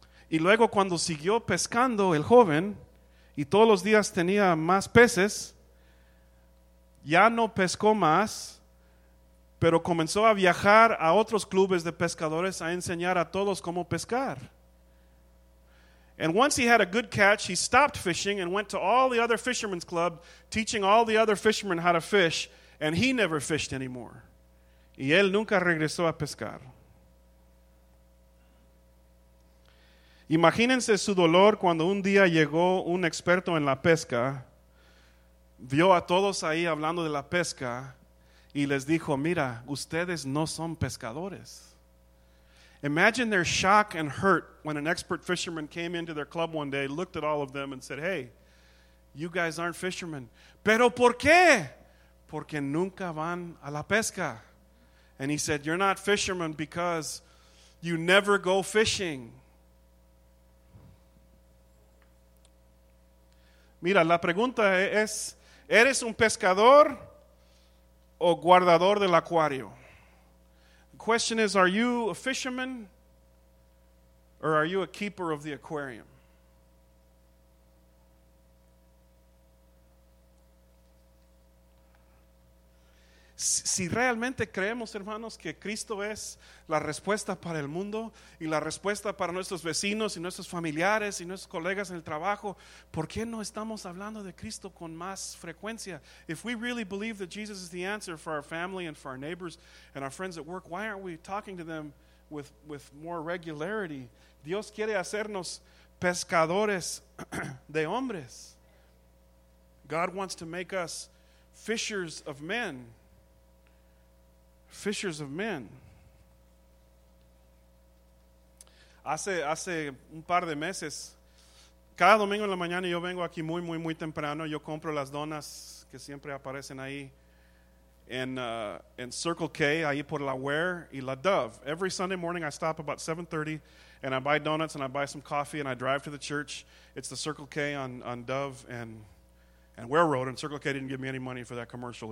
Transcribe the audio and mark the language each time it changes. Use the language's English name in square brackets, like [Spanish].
[Spanish] Y luego cuando siguió pescando el joven y todos los días tenía más peces, ya no pescó más, pero comenzó a viajar a otros clubes de pescadores a enseñar a todos cómo pescar. [English] And once he had a good catch, he stopped fishing and went to all the other fishermen's club, teaching all the other fishermen how to fish, and he never fished anymore. [Spanish] Y él nunca regresó a pescar. Imagínense su dolor cuando un día llegó un experto en la pesca, vio a todos ahí hablando de la pesca y les dijo, mira, ustedes no son pescadores. [English] Imagine their shock and hurt when an expert fisherman came into their club one day, looked at all of them and said, hey, you guys aren't fishermen. [Spanish] ¿Pero por qué? Porque nunca van a la pesca. [English] And he said, you're not fishermen because you never go fishing. [Spanish] Mira, la pregunta es, ¿eres un pescador o guardador del acuario? [English] The question is, are you a fisherman or are you a keeper of the aquarium? [Spanish] Si realmente creemos, hermanos, que Cristo es la respuesta para el mundo y la respuesta para nuestros vecinos y nuestros familiares y nuestros colegas en el trabajo, ¿por qué no estamos hablando de Cristo con más frecuencia? [English] If we really believe that Jesus is the answer for our family and for our neighbors and our friends at work, why aren't we talking to them with more regularity? [Spanish] Dios quiere hacernos pescadores de hombres. [English] God wants to make us fishers of men. Fishers of men. [Spanish] Hace un par de meses, cada domingo en la mañana yo vengo aquí muy, muy, muy temprano. Yo compro las donas que siempre aparecen ahí en Circle K, ahí por la Ware y la Dove. [English] Every Sunday morning I stop about 7:30 and I buy donuts and I buy some coffee and I drive to the church. It's the Circle K on Dove and And we're rolling. And Circle K didn't give me any money for that commercial.